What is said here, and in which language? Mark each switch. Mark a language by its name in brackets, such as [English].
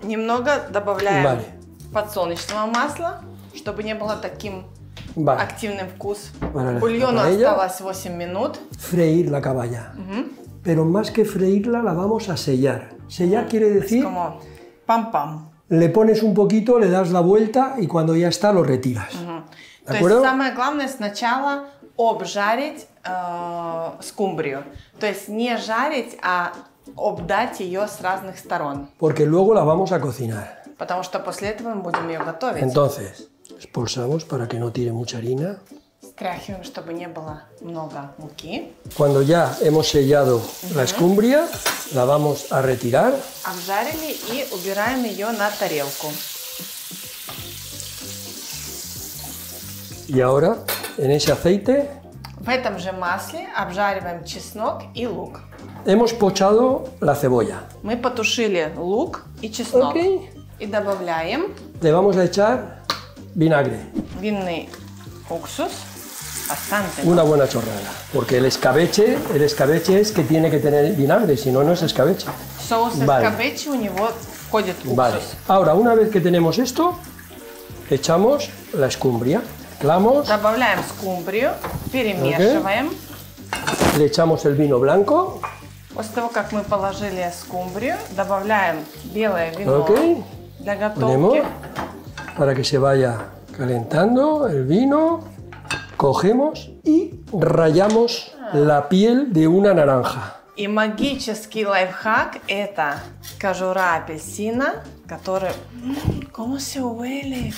[Russian] Немного добавляем подсолнечного масла, чтобы не было таким активным вкус. Бульон осталось 8 минут. [Spanish] Freír la caballa. Pero más que freírla, la vamos a sellar. Sellar quiere decir... Es como pam, pam. Le pones un poquito, le das la vuelta y cuando ya está, lo retiras. ¿De acuerdo? [Russian] То есть, самое главное сначала обжарить скумбрию. То есть, не жарить, а обдать ее с разных сторон. [Spanish] Porque luego la vamos a cocinar. [Russian] Потому что после этого мы будем ее готовить. [Spanish] Entonces, expulsamos para que no tire mucha harina. [Russian] Стряхиваем, чтобы не было много муки. [Spanish] Cuando ya hemos sellado la escumbria, la vamos a retirar. [Russian] Обжарили и убираем ее на тарелку. [Spanish] Y ahora, en ese aceite... [Russian] В этом же масле обжариваем чеснок и лук. [Spanish] Hemos pochado la cebolla. [Russian] Мы потушили лук и чеснок. [English] Okay. [Russian] И добавляем... [Spanish] Le vamos a echar vinagre. [Russian] Винный уксус. [Spanish] Bastante, ¿no? Una buena chorrada, porque el escabeche es que tiene que tener vinagre, si no, no es escabeche. Sous vale. [Russian] Escabeche, у него входит уксус. [Spanish] Vale. Ahora, una vez que tenemos esto, echamos la escumbria, mezclamos. [Russian] Добавляем скумбрию, перемешиваем. [English] Okay. [Spanish] Le echamos el vino blanco. [Russian] После того, как мы положили скумбрию, добавляем белое вино [English] okay. [Russian] для готовки. [Spanish] Ponemos para que se vaya calentando el vino. Cogemos y rayamos la piel de una naranja. [Russian] И магический лайфхак – это кожура апельсина, которая… [Spanish] ¿Cómo se huele?